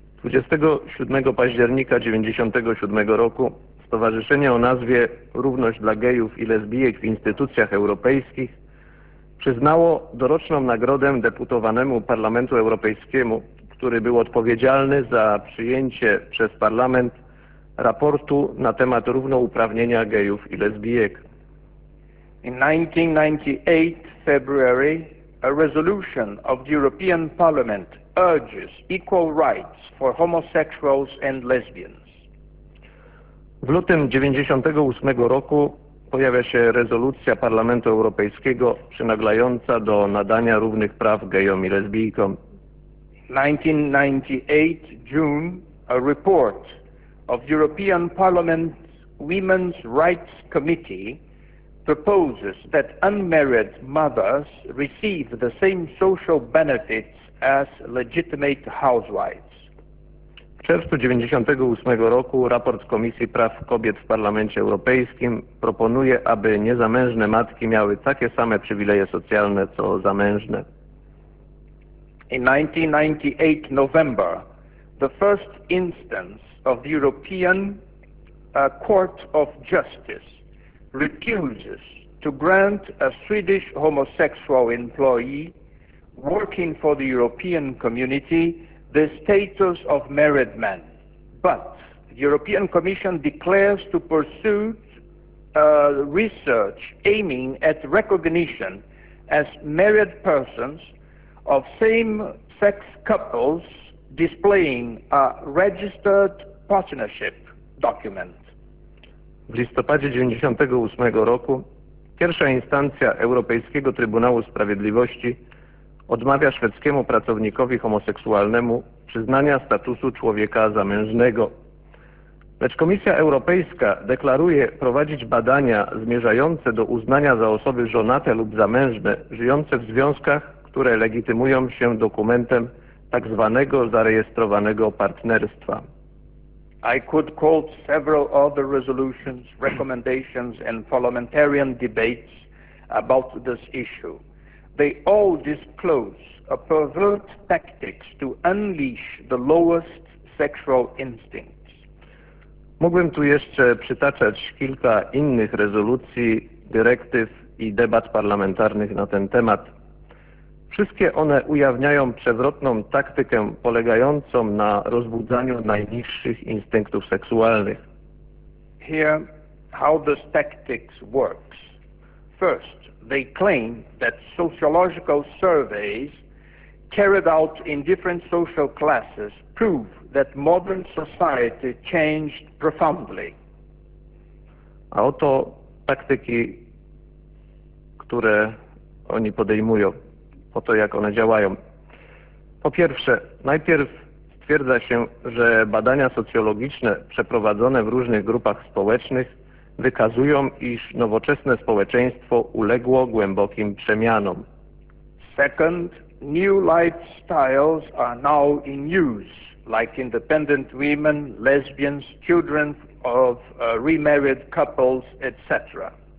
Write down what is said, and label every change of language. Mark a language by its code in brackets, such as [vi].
[pl] 27 października 1997 roku Stowarzyszenie o nazwie Równość dla gejów i lesbijek w instytucjach europejskich przyznało doroczną nagrodę deputowanemu Parlamentu Europejskiemu, który był odpowiedzialny za przyjęcie przez Parlament raportu na temat równouprawnienia gejów i lesbijek. [en] In 1998 February, a resolution of the European Parliament urges equal rights for homosexuals and lesbians. [pl] W lutym 1998 roku pojawia się rezolucja Parlamentu Europejskiego przynaglająca do nadania równych praw gejom i lesbijkom. [en] 1998 June, a report of European Parliament's Women's Rights Committee proposes that unmarried mothers receive the same social benefits as legitimate housewives. [pl] W czerwcu 1998 roku raport Komisji Praw Kobiet w Parlamencie Europejskim proponuje, aby niezamężne matki miały takie same przywileje socjalne co zamężne. [en] In 1998 November, the first instance of the European Court of Justice refuses to grant a Swedish homosexual employee working for the European Community the status of married man, but the European Commission declares to pursue research aiming at recognition as married persons of same-sex couples displaying a registered partnership document. [pl] W listopadzie 1998 roku pierwsza instancja Europejskiego Trybunału Sprawiedliwości odmawia szwedzkiemu pracownikowi homoseksualnemu przyznania statusu człowieka zamężnego. Lecz Komisja Europejska deklaruje prowadzić badania zmierzające do uznania za osoby żonate lub zamężne żyjące w związkach, które legitymują się dokumentem tak zwanego zarejestrowanego partnerstwa. [en] I could quote several other resolutions, recommendations and parliamentarian debates about this issue. They all disclose a pervert tactics to unleash the lowest sexual instincts. [pl] Mógłbym tu jeszcze przytaczać kilka innych rezolucji, dyrektyw i debat parlamentarnych na ten temat. Wszystkie one ujawniają przewrotną taktykę polegającą na rozbudzaniu najniższych instynktów seksualnych. [en] Here, how this tactics works. First, they claim that sociological surveys carried out in different social classes prove that modern society changed profoundly. [pl] A oto taktyki, które oni podejmują. Po to, jak one działają. Po pierwsze, najpierw stwierdza się, że badania socjologiczne przeprowadzone w różnych grupach społecznych wykazują, iż nowoczesne społeczeństwo uległo głębokim przemianom. [en] Second, new lifestyles are now in use, like independent women, lesbians, children of remarried couples, etc.